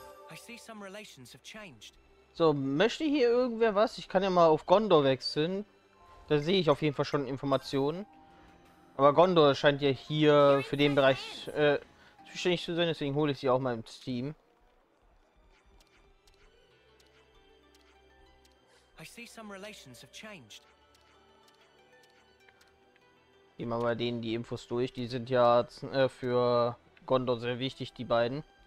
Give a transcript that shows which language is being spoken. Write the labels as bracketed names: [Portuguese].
[English] I see some relations have changed. [German] So, möchte hier irgendwer was? Ich kann ja mal auf Gondor wechseln. Da sehe ich auf jeden Fall schon Informationen. Aber Gondor scheint ja hier für den Bereich zuständig zu sein, deswegen hole ich sie auch mal im Steam. [English] I see some relations have changed. [German] Gehen wir mal denen die Infos durch. Die sind ja für Gondor sehr wichtig, die beiden.